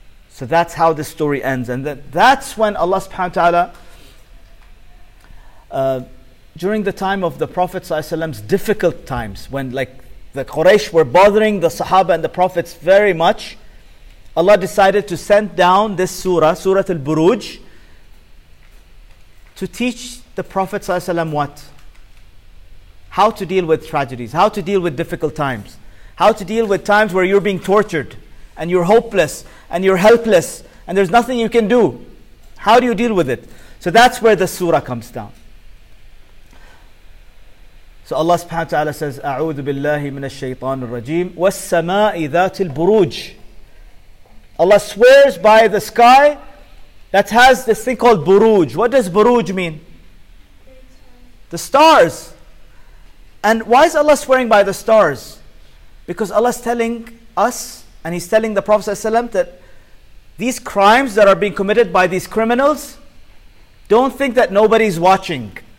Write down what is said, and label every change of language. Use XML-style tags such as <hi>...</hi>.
<en>So that's how this story ends. And that's when Allah subhanahu wa ta'ala, during the time of the Prophet sallallahu alaihi wasallam's difficult times, when like the Quraysh were bothering the Sahaba and the Prophets very much, Allah decided to send down this surah, Surah Al-Buruj, to teach the Prophet ﷺ what? How to deal with tragedies, how to deal with difficult times, how to deal with times where you're being tortured and you're hopeless and you're helpless and there's nothing you can do. How do you deal with it? So that's where the surah comes down. So Allah subhanahu wa ta'ala says,</en> <ar>أعوذ بالله من الشيطان الرجيم والسماء ذات البروج.</ar> <en>Allah swears by the sky that has this thing called buruj. What does buruj mean? The stars. And why is Allah swearing by the stars? Because Allah is telling us, and He's telling the Prophet ﷺ, that these crimes that are being committed by these criminals, don't think that nobody's watching.</en>